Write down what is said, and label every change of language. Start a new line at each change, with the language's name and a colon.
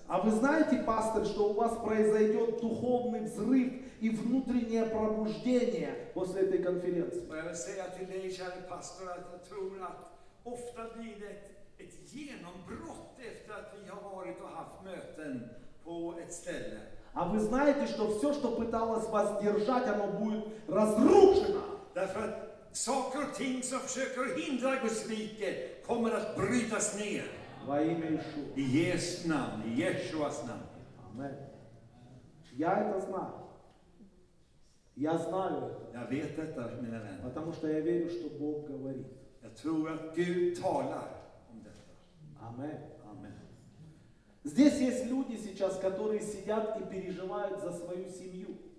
Russian: А вы знаете, пастор, что у вас произойдет духовный взрыв и внутреннее пробуждение после этой конференции? Я хочу сказать вам, дорогой пастор, что я думаю, что часто будет
Swedish: ett genombrott efter att vi har varit och haft möten på ett ställe.
Russian: А вы знаете, что всё, что пыталось вас держать, оно будет разрушено.
Swedish: Därför att saker och ting som försöker hindra Guds rike kommer att brytas ner.
Russian: Во имя Иешуа.
Swedish: I Jesu namn, i Jeshuas namn.
Russian: Amen. Я это знаю. Я знаю это.
Swedish: Jag vet detta, mina vänner.
Russian: Потому что я верю, что Бог говорит.
Swedish: Jag tror att Gud talar. Amen.
Russian: Здесь есть люди сейчас, которые сидят и переживают за свою семью.